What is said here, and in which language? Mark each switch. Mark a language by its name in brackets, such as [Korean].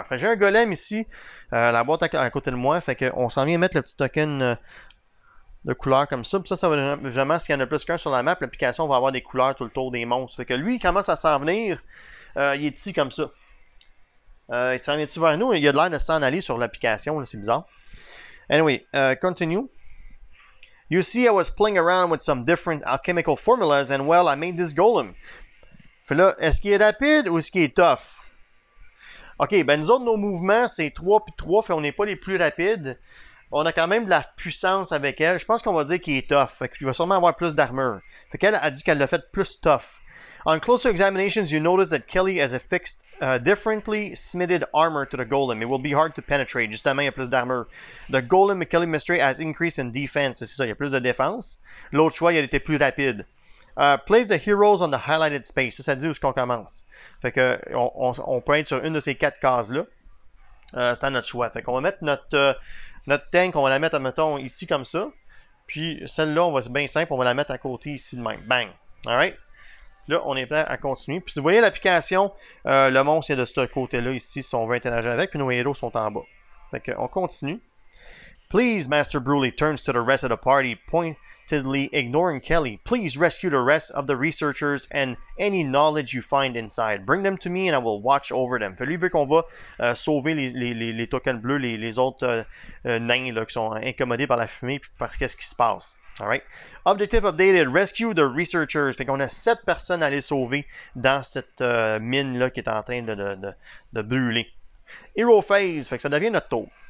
[French] Enfin, j'ai un golem ici, la boîte à côté de moi, fait qu'on s'en vient mettre le petit token de couleur comme ça. Puis ça va vraiment, s'il y en a plus qu'un sur la map, l'application va avoir des couleurs tout le tour des monstres. Fait que lui, il commence à s'en venir, il est ici comme ça. Il s'en vient-tu vers nous? Il a l'air de s'en aller sur l'application, là, c'est bizarre. [English] Anyway, continue. You see, I was playing around with some different alchemical formulas and well, I made this golem. [French] Fait là, est-ce qu'il est rapide ou est-ce qu'il est tough? Ok, ben nous autres, nos mouvements, c'est 3 puis 3, fait on n'est pas les plus rapides. On a quand même de la puissance avec elle. Je pense qu'on va dire qu'il est tough. Fait qu'il va sûrement avoir plus d'armure. Fait qu'elle a dit qu'elle l'a fait plus tough. [English] On closer examinations, you notice that Kelly has affixed differently smitted armor to the golem. It will be hard to penetrate. [French] Justement, il y a plus d'armure. [English] The golem Kelly mystery has increased in defense. [French] C'est ça, il y a plus de défense. L'autre choix, il était plus rapide. [English] Place the heroes on the highlighted space. [French] Ça dit où est-ce qu'on commence. Fait que on peut être sur une de ces quatre cases-là. C'est à notre choix. Fait qu'on va mettre notre tank, on va la mettre, mettons, ici comme ça. Puis celle-là, on va c'est bien simple, on va la mettre à côté ici de même. Bang! Alright? Là, on est prêt à continuer. Puis si vous voyez l'application, le monstre est de ce côté-là ici, si on veut interagir avec, puis nos héros sont en bas. Fait qu'on continue. [English] Please, Master Brûlis turns to the rest of the party, pointedly ignoring Kelly. Please rescue the rest of the researchers and any knowledge you find inside. Bring them to me and I will watch over them. [French] Fait lui veut qu'on va sauver les tokens bleus, les autres nains là, qui sont incommodés par la fumée et par qu'est-ce qui se passe. [English] All right. Objective updated. Rescue the researchers. [French] Fait qu'on a 7 personnes à aller sauver dans cette mine-là qui est en train de brûler. [English] Hero phase. [French] Fait que ça devient notre tour.